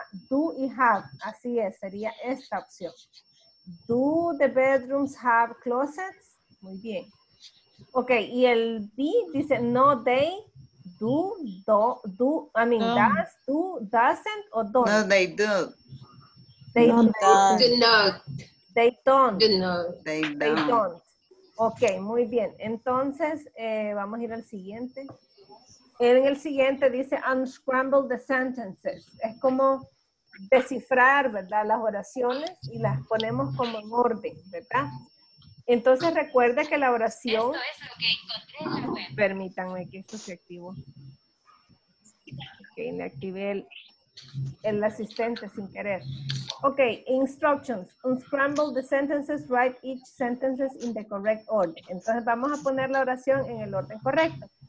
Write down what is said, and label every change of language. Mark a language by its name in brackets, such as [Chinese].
[Spanish] Do y have, así es, sería esta opción. [English] Do the bedrooms have closets? [Spanish] Muy bien. Ok, y el B dice no, [English] they doesn't [Spanish] o [English] don't. No, they do. They don't. [Spanish] Ok, muy bien. Entonces, vamos a ir al siguiente. En el siguiente dice [English] unscramble the sentences. [Spanish] Es como descifrar, ¿verdad? Las oraciones y las ponemos como en orden, ¿verdad? Entonces, recuerda que la oración... Esto es lo que encontré en la web. Permítanme que esto se activó. Ok, le activé el asistente sin querer. [English] Ok, instructions. Unscramble the sentences, write each sentence in the correct order. [Spanish] Entonces vamos a poner la oración en el orden correcto.